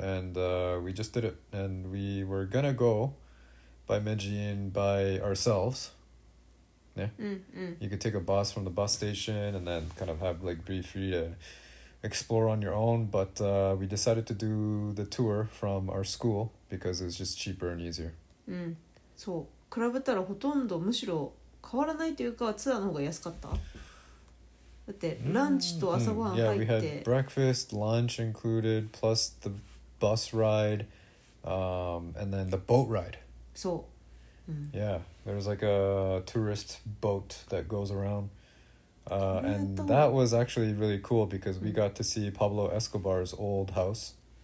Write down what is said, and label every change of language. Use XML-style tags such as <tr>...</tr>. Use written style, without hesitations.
<en>And we just did it. And we were gonna go by Medellin by ourselves. You could take a bus from the bus station and then kind of have like brief free to explore on your own, but we decided to do the tour from our school because it was just cheaper and easier.</en> <ja>そう、比べたらほとんどむしろ変わらないというかツアーの方が安かった。だってランチと朝ごはん入って、</ja> <en>yeah, we had breakfast, lunch included, plus the bus ride, and then the boat ride.</en> <ja>そう。</ja> <en>Yeah, there was like a tourist boat that goes around. And that was actually really cool because we got to see Pablo Escobar's old house.</en>